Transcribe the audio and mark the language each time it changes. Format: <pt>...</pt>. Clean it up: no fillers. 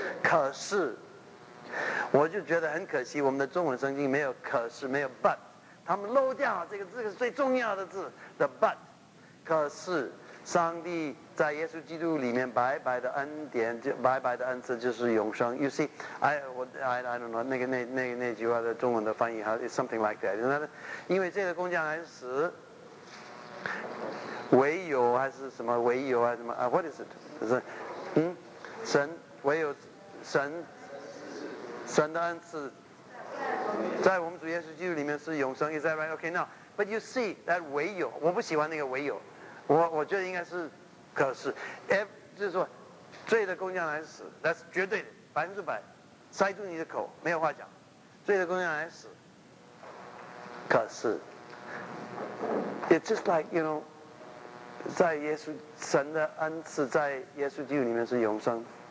<zh>可是我就觉得很可惜，我们的中文圣经没有可是，没有 but， 他们漏掉了这个是最重要的字的 but。可是上帝在耶稣基督里面白白的恩典，白白的恩赐就是永生。</zh> <en>You see， I don't know</en> <zh>那句话的中文的翻译</zh> <en>is something like that。</en> <zh>那因为这个工匠还是死，唯有还是什么唯有还是什么啊 ？</zh> <en>What is it？</en> <zh>是神唯有神的恩赐，在我们主耶稣基督里面是永生。</zh> <en>Is that right？ Okay， now， but you see that</en> <zh>唯有，我不喜欢那个唯有。我觉得应该是可是，就是说罪的工匠来死，那是绝对的，百分之百，塞住你的口，没有话讲。罪的工匠来死，可是</zh> <en>it's just like you know，</en> <zh>在耶稣神的恩赐在耶稣基督里面是永生。</zh>